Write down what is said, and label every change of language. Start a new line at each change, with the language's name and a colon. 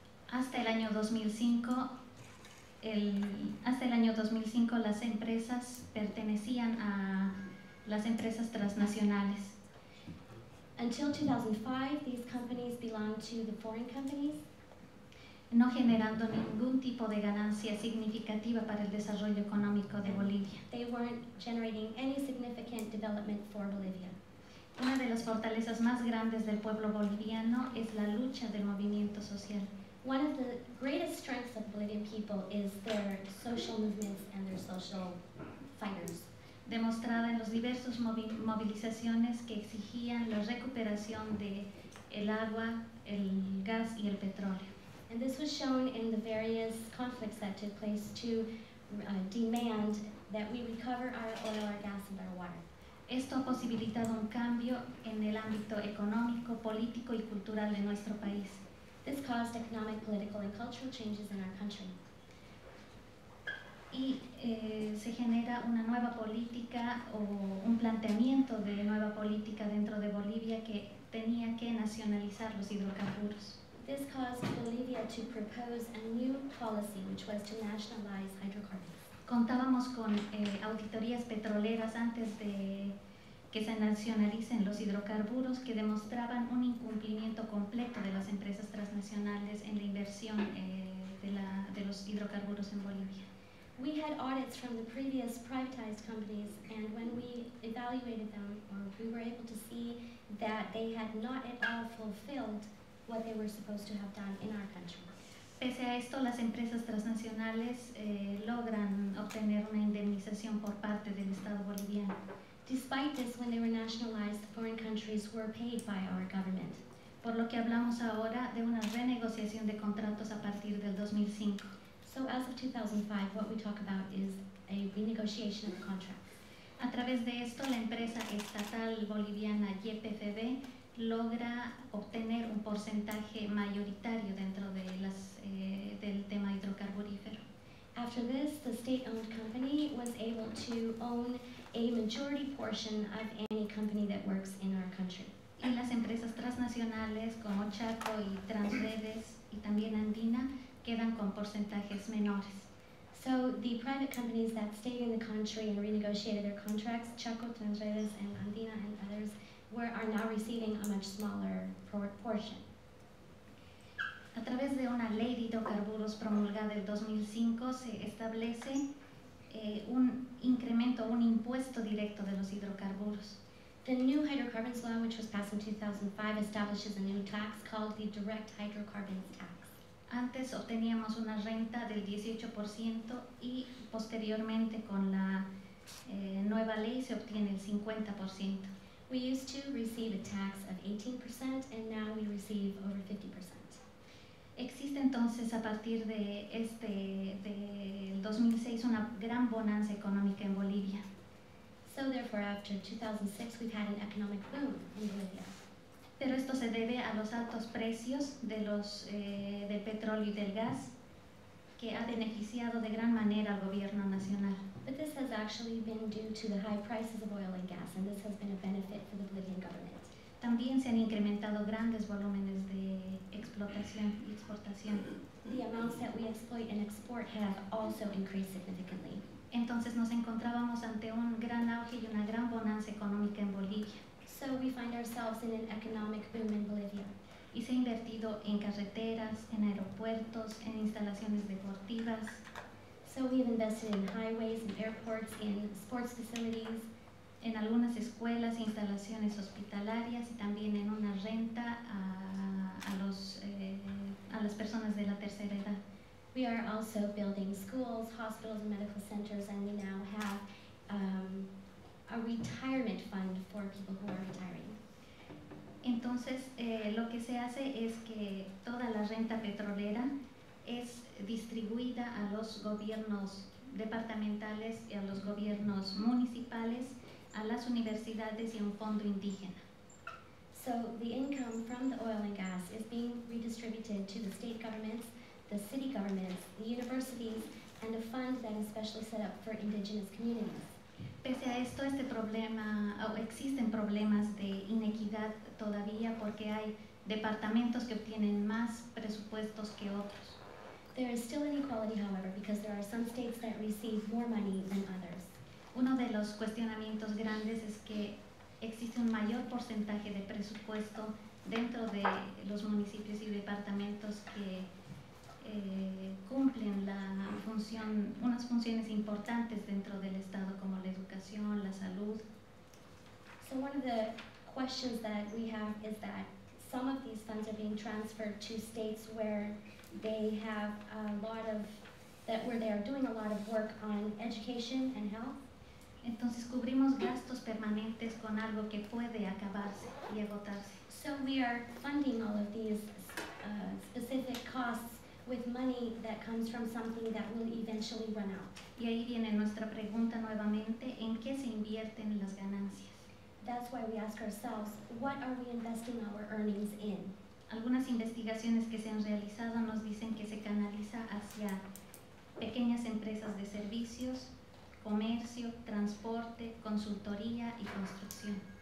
Spanish: Hasta el año 2005, las empresas pertenecían a las empresas transnacionales.
English: Until 2005, these companies belonged to the foreign companies,
Spanish: no generando ningún tipo de ganancia significativa para el desarrollo económico de Bolivia.
English: They weren't generating any significant development for Bolivia.
Spanish: Una de las fortalezas más grandes del pueblo boliviano es la lucha del movimiento social.
English: One of the greatest strengths of Bolivian people is their social movements and their social fighters.
Spanish: Demostrada en los diversos movilizaciones que exigían la recuperación de el agua, el gas y el petróleo.
English: And this was shown in the various conflicts that took place to demand that we recover our oil, our gas, and our water.
Spanish: Esto ha posibilitado un cambio en el ámbito económico, político y cultural de nuestro país.
English: This caused economic, political, and cultural changes in our country.
Spanish: Y se genera una nueva política o un planteamiento de nueva política dentro de Bolivia que tenía que nacionalizar los hidrocarburos.
English: This caused Bolivia to propose a new policy, which was to nationalize hydrocarbons.
Spanish: Contábamos con auditorías petroleras antes de que se nacionalicen los hidrocarburos que demostraban un incumplimiento completo de las empresas transnacionales en la inversión de los hidrocarburos en Bolivia.
English: We had audits from the previous privatized companies, and when we evaluated them, or we were able to see that they had not at all fulfilled what they were supposed to have done in our country.
Spanish: Pese a esto, las empresas transnacionales logran obtener una indemnización por parte del Estado boliviano.
English: Despite this, when they were nationalized, foreign countries were paid by our government.
Spanish: Por lo que hablamos ahora de una renegociación de contratos a partir del 2005.
English: So as of 2005, what we talk about is a renegotiation of the contract.
Spanish: A través de esto, la empresa estatal boliviana YPFB logra obtener un porcentaje mayoritario dentro de las, del tema hidrocarburífero.
English: After this, the state-owned company was able to own a majority portion of any company that works in our country.
Spanish: Y las empresas transnacionales como Chaco y Transredes y también Andina quedan con porcentajes menores.
English: So the private companies that stayed in the country and renegotiated their contracts, Chaco, Transredes, and Andina, and others, are now receiving a much smaller portion.
Spanish: A través de una ley de hidrocarburos promulgada en 2005, se establece un incremento, un impuesto directo de los hidrocarburos.
English: The new hydrocarbons law, which was passed in 2005, establishes a new tax called the direct hydrocarbons tax.
Spanish: Antes obteníamos una renta del 18% y posteriormente con la nueva ley se obtiene el 50%.
English: We used to receive a tax of 18% and now we receive over 50%.
Spanish: Existe entonces a partir de este del 2006 una gran bonanza económica en Bolivia.
English: So therefore after 2006 we've had an economic boom in Bolivia.
Spanish: Pero esto se debe a los altos precios de los del petróleo y del gas que ha beneficiado de gran manera al gobierno nacional.
English: But this has actually been due to the high prices of oil and gas, and this has been a benefit for the Bolivian government.
Spanish: También se han incrementado grandes volúmenes de explotación y exportación.
English: The amounts that we exploit and export have also increased significantly.
Spanish: Entonces nos encontrábamos ante un gran auge y una gran bonanza económica en Bolivia.
English: So we find ourselves in an economic boom in Bolivia.
Spanish: Y se ha invertido en carreteras, en aeropuertos, en instalaciones deportivas.
English: So we have invested in highways, in airports, in sports facilities,
Spanish: en algunas escuelas, instalaciones hospitalarias y también en una renta a las personas de la tercera edad.
English: We are also building schools, hospitals, and medical centers, and we now have a retirement fund for people who are retiring.
Spanish: Entonces, lo que se hace es que toda la renta petrolera es distribuida a los gobiernos departamentales y a los gobiernos municipales, a las universidades y a un fondo indígena.
English: So the income from the oil and gas is being redistributed to the state governments, the city governments, the universities, and a fund that is specially set up for indigenous communities.
Spanish: Pese a esto, este problema, existen problemas de inequidad todavía porque hay departamentos que obtienen más presupuestos que otros.
English: There is still inequality, however, because there are some states that receive more money than others.
Spanish: Uno de los cuestionamientos grandes es que existe un mayor porcentaje de presupuesto dentro de los municipios y departamentos que cumplen la función, unas funciones importantes dentro del Estado, como la educación, la salud.
English: So one of the questions that we have is that some of these funds are being transferred to states where they have a lot of, where they are doing a lot of work on education and health.
Spanish: Entonces cubrimos gastos permanentes con algo que puede acabarse y agotarse.
English: So we are funding all of these specific costs with money that comes from something that will eventually run out.
Spanish: Y ahí viene nuestra pregunta nuevamente, ¿en qué se invierten las ganancias?
English: That's why we ask ourselves, what are we investing our earnings in?
Spanish: Algunas investigaciones que se han realizado nos dicen que se canaliza hacia pequeñas empresas de servicios, comercio, transporte, consultoría y construcción.